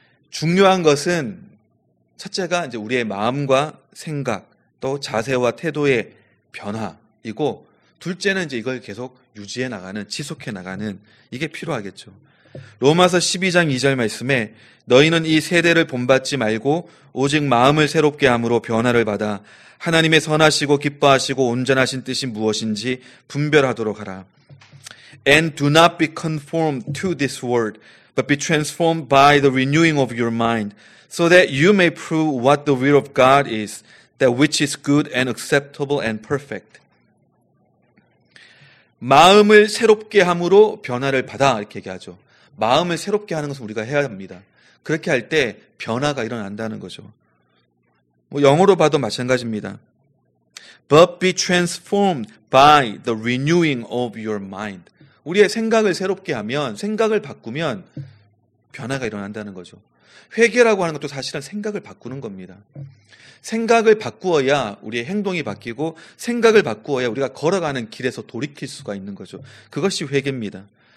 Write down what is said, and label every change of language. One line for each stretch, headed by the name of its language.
Korean: 중요한 것은 첫째가 이제 우리의 마음과 생각, 또 자세와 태도의 변화이고 둘째는 이제 이걸 계속 유지해 나가는, 지속해 나가는 이게 필요하겠죠. 로마서 12장 2절 말씀에 너희는 이 세대를 본받지 말고 오직 마음을 새롭게 함으로 변화를 받아 하나님의 선하시고 기뻐하시고 온전하신 뜻이 무엇인지 분별하도록 하라.
English: And do not be conformed to this world, but be transformed by the renewing of your mind, so that you may prove what the will of God is, that which is good and acceptable and perfect.
Korean: 마음을 새롭게 함으로 변화를 받아 이렇게 얘기하죠. 마음을 새롭게 하는 것은 우리가 해야 합니다. 그렇게 할때 변화가 일어난다는 거죠. 뭐 영어로 봐도 마찬가지입니다.
English: But be transformed by the renewing of your mind.
Korean: 우리의 생각을 새롭게 하면, 생각을 바꾸면 변화가 일어난다는 거죠. 회개라고 하는 것도 사실은 생각을 바꾸는 겁니다. 생각을 바꾸어야 우리의 행동이 바뀌고, 생각을 바꾸어야 우리가 걸어가는 길에서 돌이킬 수가 있는 거죠. 그것이 회개입니다.